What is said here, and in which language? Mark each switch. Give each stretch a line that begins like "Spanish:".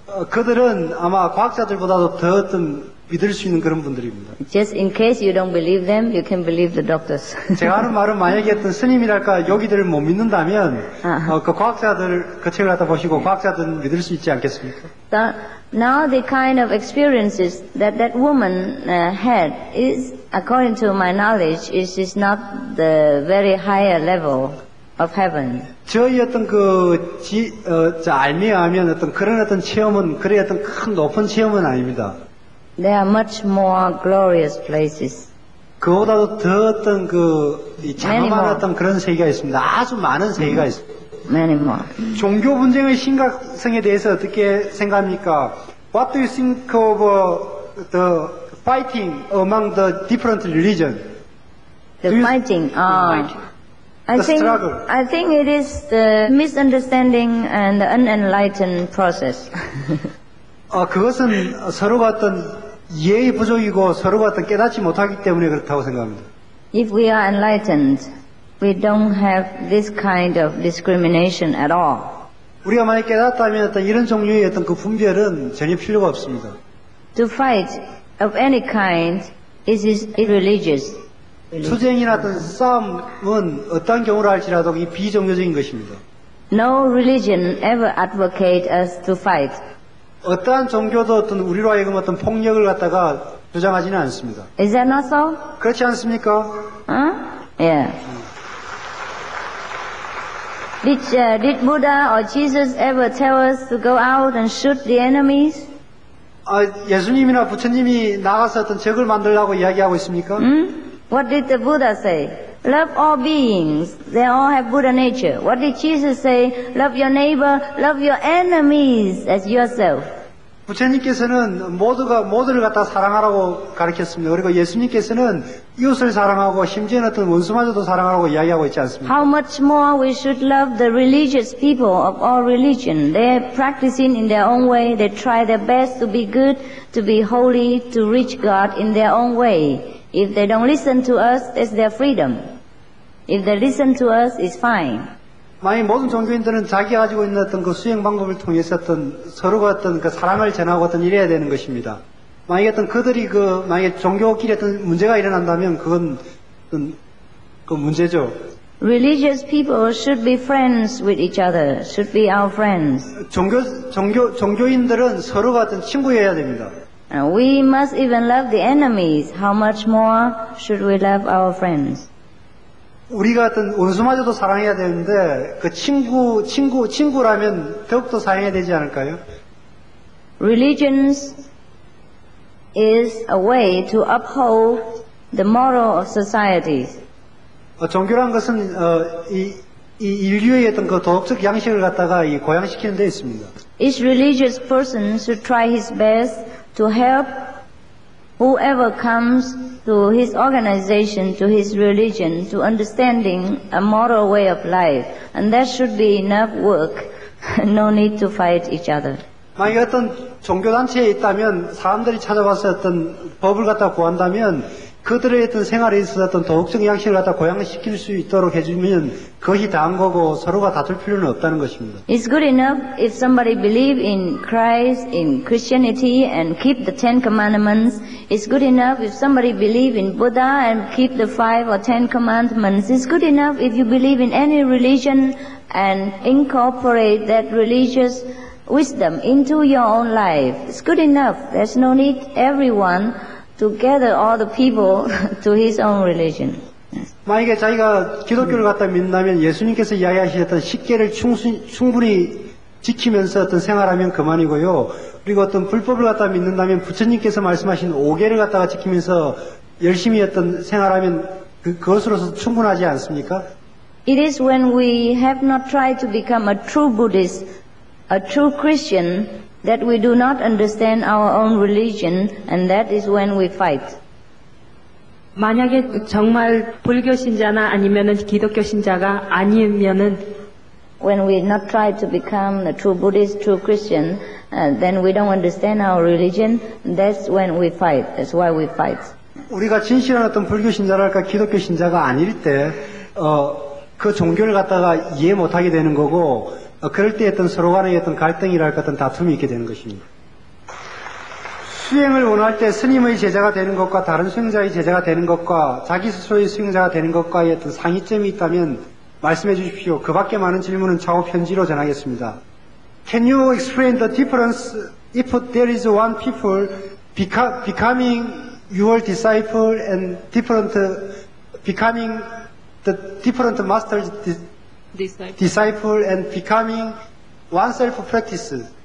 Korean: 그들은 아마 과학자들보다도 더 어떤 믿을 수 있는 그런 분들입니다.
English: Just in case you don't believe them, you can believe the doctors.
Korean: 제가 하는 말은 만약에 어떤 스님이랄까 요기들을 못 믿는다면 그 과학자들 그 책을 갖다 보시고 과학자들은 믿을 수 있지 않겠습니까?
English: Now the kind of experiences that that woman had is, according to my knowledge, is not the very higher level of heaven.
Korean: 저희 어떤 그 알미하면 어떤 그런 어떤 체험은 그래 어떤 큰 높은 체험은 아닙니다.
English: There are much more glorious places.
Korean: 그보다도 더 어떤 그 장엄한 어떤 그런 세계가 있습니다. 아주 많은 세계가 있습니다.
English: Many more.
Korean: 종교 분쟁의 심각성에 대해서 어떻게 생각합니까?
English: What do you think of the fighting among the different religions? The struggle. I think it is the misunderstanding and the unenlightened process.
Korean: 그것은 서로가 어떤 이해의 부족이고 서로가 어떤 깨닫지 못하기 때문에 그렇다고 생각합니다.
English: If we are enlightened, we don't have this kind of discrimination at all.
Korean: 우리가 만약 깨닫다면 어떤 이런 종류의 어떤 그 분별은 전혀 필요가 없습니다.
English: To fight of any kind is irreligious.
Korean: 투쟁이나 어떤 싸움은 어떤 경우를 할지라도 이 비종교적인 것입니다.
English: No religion ever advocates us to fight.
Korean: 어떠한 종교도 어떤 우리로 하여금 어떤 폭력을 갖다가 주장하지는 않습니다.
English: Is that not so?
Korean: 그렇지 않습니까?
English: Yeah. Did Buddha or Jesus ever tell us to go out and shoot the enemies?
Korean: 예수님이나 부처님이 나가서 어떤 적을 만들라고 이야기하고 있습니까?
English: What did the Buddha say? Love all beings. They all have Buddha nature. What did Jesus say? Love your neighbor, love your enemies as yourself.
Korean: 부처님께서는 모두를 갖다 사랑하라고 가르쳤습니다. 그리고 예수님께서는 이웃을 사랑하고 심지어는 어떤 원수마저도 사랑하라고 이야기하고 있지 않습니까?
English: How much more we should love the religious people of all religion. They're practicing in their own way. They try their best to be good, to be holy, to reach God in their own way. If they don't listen to us, that's their freedom. If they listen to us, it's fine.
Korean: 만약 모든 종교인들은 자기 가지고 있는 어떤 그 수행 방법을 통해서 어떤 서로가 어떤 그 사랑을 전하고 어떤 이래야 되는 것입니다. 만약 어떤 그들이 그 만약 종교끼리 어떤 문제가 일어난다면 그건 어떤 그 문제죠.
English: Religious people should be friends with each other. Should be our friends.
Korean: 종교인들은 서로가 어떤 친구여야 됩니다.
English: We must even love the enemies. How much more should we love our friends?
Korean: 우리가 어떤 원수마저도 사랑해야 되는데 그 친구라면 더욱더 사랑해야 되지 않을까요?
English: Religion is a way to uphold the moral of society.
Korean: 종교란 것은 인류의 어떤 그 도덕적 양식을 갖다가 고양시키는 데 있습니다.
English: Each religious person should try his best to help whoever comes to his organization, to his religion, to understanding a moral way of life. And that should be enough work. No need to fight each other.
Korean: 만약 어떤 종교단체에 있다면, 사람들이 찾아와서 어떤 법을 갖다 구한다면, 그들의 어떤 생활에 있어서 어떤 도덕적 양식을 갖다 고양시킬 수 있도록 해주면, 그것이 다한 거고, 서로가 다툴 필요는 없다는 것입니다.
English: It's good enough if somebody believes in Christ, in Christianity, and keep the Ten Commandments. It's good enough if somebody believes in Buddha and keep the Five or Ten Commandments. It's good enough if you believe in any religion and incorporate that religious wisdom into your own life. It's good enough. There's no need everyone to gather all the people to his own religion.
Korean: 만약에 자기가 기독교를 갖다 믿는다면 예수님께서 이야기하셨던 십계를 충분히 지키면서 어떤 생활하면 그만이고요. 그리고 어떤 불법을 갖다 믿는다면 부처님께서 말씀하신 오계를 갖다가 지키면서 열심히 어떤 생활하면 그것으로서 충분하지 않습니까?
English: It is when we have not tried to become a true Buddhist, a true Christian, that we do not understand our own religion, and that is when we fight.
Korean: 만약에 정말 불교 신자나 아니면은 기독교 신자가 아니면은
English: when we not try to become a true Buddhist, true Christian, then we don't understand our religion. That's when we fight. That's why we fight.
Korean: 우리가 진실한 어떤 불교 신자랄까 기독교 신자가 아닐 때, 그 종교를 갖다가 이해 못하게 되는 거고, 그럴 때 어떤 서로 간의 어떤 갈등이랄까 어떤 다툼이 있게 되는 것입니다. 수행을 원할 때 스님의 제자가 되는 것과 다른 수행자의 제자가 되는 것과 자기 스스로의 수행자가 되는 것과의 어떤 상이점이 있다면 말씀해 주십시오. 그 밖에 많은 질문은 좌우 편지로 전하겠습니다.
English: Can you explain the difference if there is one people becoming your disciple and different becoming the different master's disciple and becoming oneself practice?